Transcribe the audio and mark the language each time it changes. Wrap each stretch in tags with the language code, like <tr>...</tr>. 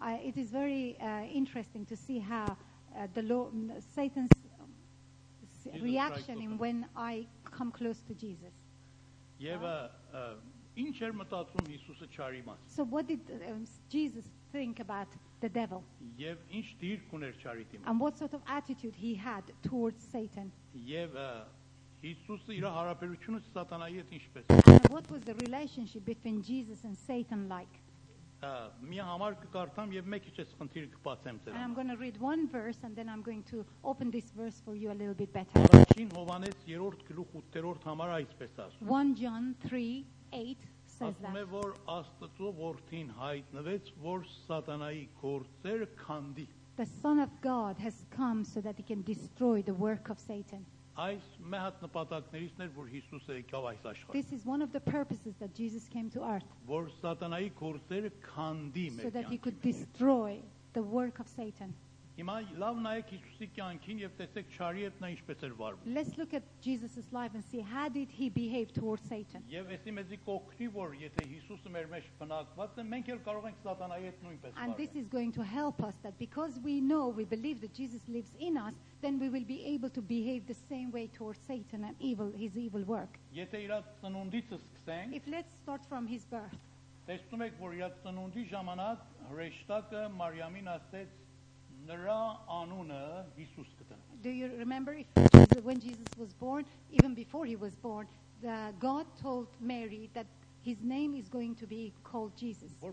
<en>It is very interesting to see how the Lord, Satan's Jesus reaction in when I come close to Jesus.</en> <hy>Եվ ինչ էր մտածում Հիսուսը չարի մասին?</hy> <en>So what did Jesus think about the devil?</en> <hy>Եվ ինչ դիրք ուներ չարի դիմաց?</hy> <en>And what sort of attitude he had towards Satan?</en> <hy>Եվ Հիսուսը իր հարաբերությունը Սատանայի հետ ինչպես էր?</hy> <en>What was the relationship between Jesus and Satan like?</en> <hy>Մի համար կկարդամ եւ մեկ քիչ էս խնդիրը կբացեմ ձեր համար.</hy> <en>I'm going to read one verse and then I'm going to open this verse for you a little bit better.</en> <hy>Առաջին Հովանես 3-րդ գլուխ 8-րդ համարը այսպես ասում։</hy> <en>1 John 3:8 says that.</en> <hy>Ասում է, որ Աստծո որդին հայտնվեց, որ Սատանայի գործեր քանդի։</hy> <en>The Son of God has come so that he can destroy the work of Satan.</en> <hy>Այս մեհատ նպատակներից էր, որ Հիսուսը եկավ այս աշխարհ։</hy> <en>This is one of the purposes that Jesus came to earth.</en> <hy>Որ Սատանայի գործերը քանդի մեր կյանքում։</hy> <en>So that he could destroy the work of Satan.</en> <hy>Հիմա լավ նայեք Հիսուսի կյանքին եւ տեսեք չարի հետ նա ինչպես էր վարվում։</hy> <en>Let's look at Jesus's life and see how did he behave towards Satan.</en> <hy>Եվ էսի մեզի կօգնի, որ եթե Հիսուսը մեր մեջ բնակված է, մենք էլ կարող ենք Սատանայի հետ նույնպես վարվել։</hy> <en>And this is going to help us that because we know we believe that Jesus lives in us, then we will be able to behave the same way towards Satan and evil, his evil work.</en> <hy>Եթե իր ծնունդից սկսենք,</hy> <en>if let's start from his birth.</en> <hy>Տեսնում եք, որ իր ծնունդի ժամանակ հրեշտակը Մարիամին ասեց, նրա անունը Հիսուս կդնեմ։</hy> <en>Do you remember if Jesus, when Jesus was born, even before he was born, the God told Mary that his name is going to be called Jesus.</en>